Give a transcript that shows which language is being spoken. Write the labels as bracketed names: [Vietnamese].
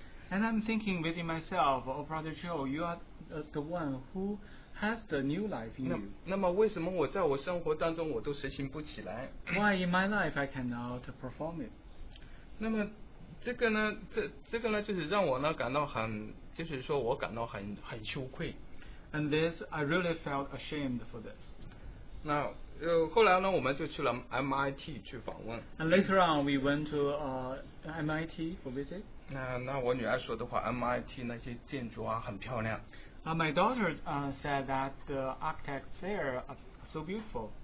[English] And I'm thinking within myself, oh brother Joe, you are the one who has the new life in you. [Chinese] 那么为什么我在我生活当中我都实行不起来？ [English] Why in my life I cannot perform it? [Chinese] 那么这个呢，就是让我呢感到很。就是说我感到很羞愧 [English] and this I really felt ashamed for this. [Chinese] 那后来呢，我们就去了 MIT 去访问 [English] and later on we went to MIT for visit. [Chinese] 那我女儿说的话 MIT 那些建筑啊很漂亮 [English] my daughter said that the architects there are so beautiful.